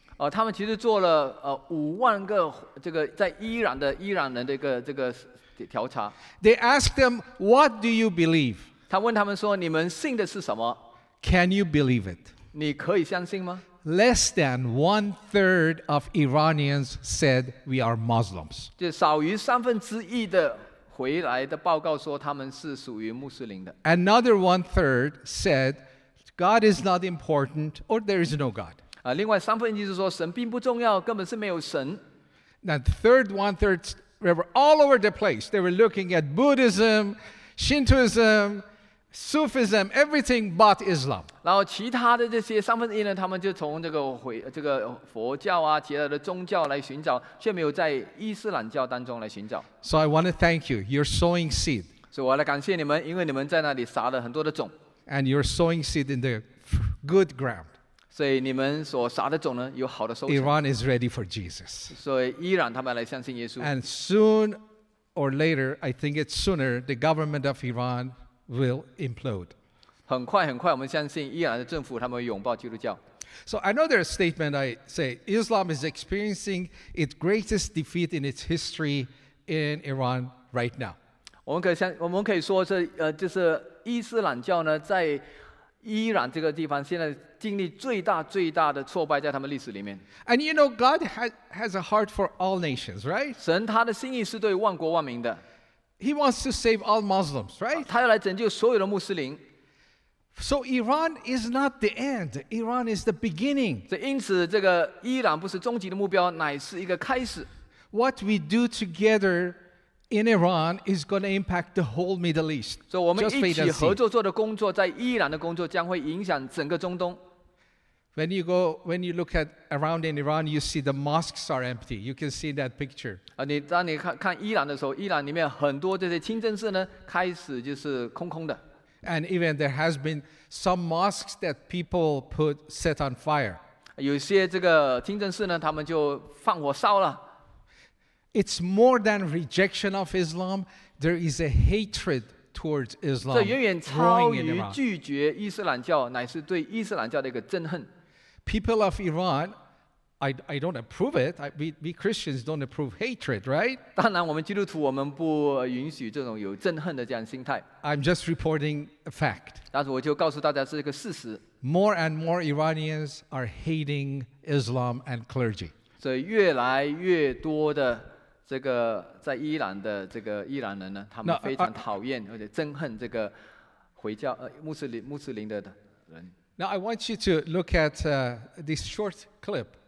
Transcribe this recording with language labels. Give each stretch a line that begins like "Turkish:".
Chinese: 他们其实做了50,000个这个在伊朗人的一个这个调查。
English: They asked them, "What do you believe?"
Chinese: 他问他们说，你们信的是什么
English: ？Can you believe it?
Chinese: 你可以相信吗？
English: Less than 1/3 of Iranians said we are Muslims.
Chinese: 就少于三分之一的回来的报告说他们是属于穆斯林的。
English: Another 1/3 said God is not important or there is no God.
Chinese: 另外三分之一是说神并不重要，根本是没有神。
English: Now the third 1/3 were all over the place. They were looking at Buddhism, Shintoism. Sufism, everything but Islam.
Chinese: 然后其他的这些三分之一呢，他们就从这个佛教啊，其他的宗教来寻找，却没有在伊斯兰教当中来寻找。
English: So I want to thank you. You're sowing seed.
Chinese: 所以我来感谢你们，因为你们在那里撒了很多的种。
English: And you're sowing seed in the good ground.
Chinese: 所以你们所撒的种呢，有好的收成。
English: Iran is ready for Jesus.
Chinese: 所以伊朗他们来相信耶稣。
English: And soon or later, I think it's sooner, the government of Iran. Will implode.
Chinese: 很快很快，我们相信伊朗的政府他们会拥抱基督教。
English: So I know there's a statement I say Islam is experiencing its greatest defeat in its history in Iran right now.
Chinese: 我们可以说是就是伊斯兰教呢，在伊朗这个地方现在经历最大最大的挫败，在他们历史里面。
English: And you know God has a heart for all nations, right?
Chinese: 神他的心意是对万国万民的。
English: He wants to save all Muslims, right?
Chinese: 他要来拯救所有的穆斯林。
English: So Iran is not the end. Iran is the beginning.
Chinese: 因此这个伊朗不是终极的目标，乃是一个开始。
English: What we do together in Iran is going to impact the whole Middle East.
Chinese: 所以我们一起合作做的工作，在伊朗的工作将会影响整个中东。
English: When you look at around in Iran, you see the mosques are empty. You can see that picture.
Chinese: 当你看伊朗的时候，伊朗里面很多这些清真寺呢，开始就是空空的。
English: And even there has been some mosques that people set on fire.
Chinese: 有些这个清真寺呢，他们就放火烧了。
English: It's more than rejection of Islam. There is a hatred. Towards Islam,
Chinese: 这远远超于拒绝伊斯兰教，乃是对伊斯兰教的一个憎恨。
English: People of Iran, I don't approve it. We Christians don't approve hatred, right?
Chinese: 当然，我们基督徒我们不允许这种有憎恨的这样心态。
English: I'm just reporting a fact.
Chinese: 但是我就告诉大家是一个事实。
English: More and more Iranians are hating Islam and clergy.
Chinese: 所以越来越多的。这个在伊朗的这个伊朗人呢，他们非常讨厌或者憎恨这个回教穆斯林的人。
English: Now I want you to look at this short clip.